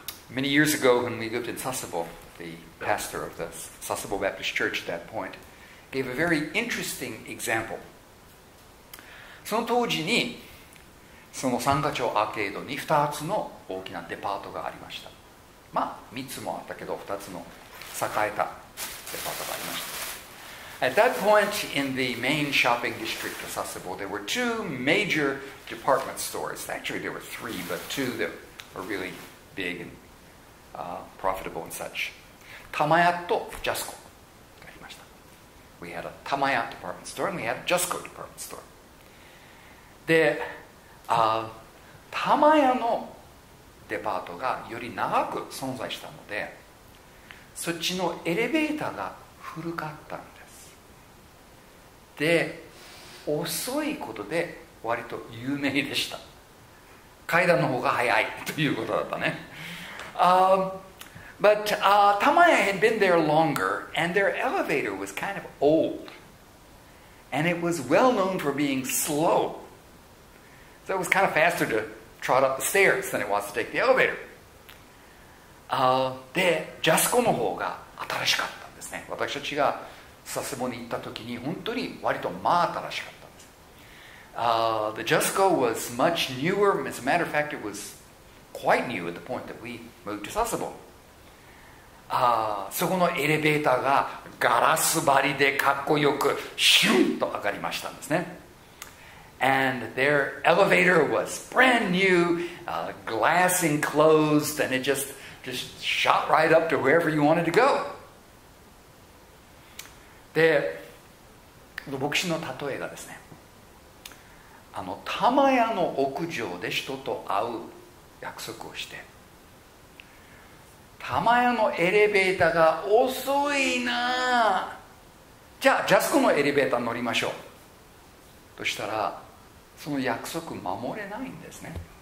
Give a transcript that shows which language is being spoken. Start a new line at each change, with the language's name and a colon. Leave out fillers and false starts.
English: Many years ago when we lived in Sasebo, the pastor of the Sasebo Baptist Church at that point gave a very interesting example.
Japanese: その当時にその三ヶ町アーケードに2つの大きなデパートがありました。まあ3つもあったけど2つの栄えたデパートがありました。
English: At that point in the main shopping district of Sasebo, there were two major department stores. Actually, there were three, but two that were really big and profitable and such.
Japanese: タマヤとジャスコがありました。
English: We had a タマヤ department store and we had a ジャスコ department store.
Japanese: で、玉屋のデパートがより長く存在したので、そっちのエレベーターが古かったんです。で、遅いことで割と有名でした。階段の方が早いということだったね。
English: Tamaya had been there longer, and their elevator was kind of old. And it was well known for being slow. So it was kind of faster to trot up the stairs than it was to take the elevator.
Japanese: で、ジャスコの方が新しかったんですね。私たちが佐世保に行った時に本当に割とまあ新しかったんです。
English: The Jusco was much newer. As a matter of fact, it was quite new at the point that we moved to Sasebo.
Japanese: そこのエレベーターがガラス張りでかっこよくシュンと上がりましたんですね。
English: And their elevator was brand new, glass enclosed, and it just shot right up to wherever you wanted to go.
Japanese: で、牧師の例えがですね、玉屋の屋上で人と会う約束をして、玉屋のエレベーターが遅いな、じゃあジャスコのエレベーターに乗りましょうとしたら、その約束守れないんですね。